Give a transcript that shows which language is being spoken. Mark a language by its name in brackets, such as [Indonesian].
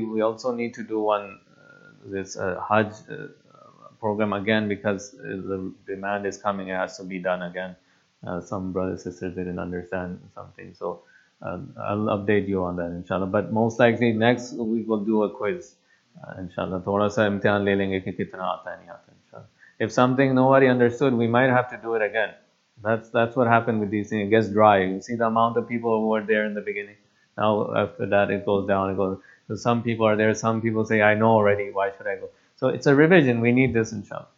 [English] We also need to do one. This Hajj program again, because the demand is coming, it has to be done again. Some brothers and sisters didn't understand something, so I'll update you on that, inshallah. But most likely next week we'll do a quiz, inshallah. [Urdu] تھوڑا سا امتحان لے لیں گے کی کتنا آتا ہے نہیں آتا، ان شاء اللہ۔ [English] If something nobody understood, we might have to do it again. That's what happened with these things. It gets dry. You see the amount of people who were there in the beginning. Now after that it goes down. So some people are there, some people say, I know already, why should I go? So it's a revision, we need this, inshallah.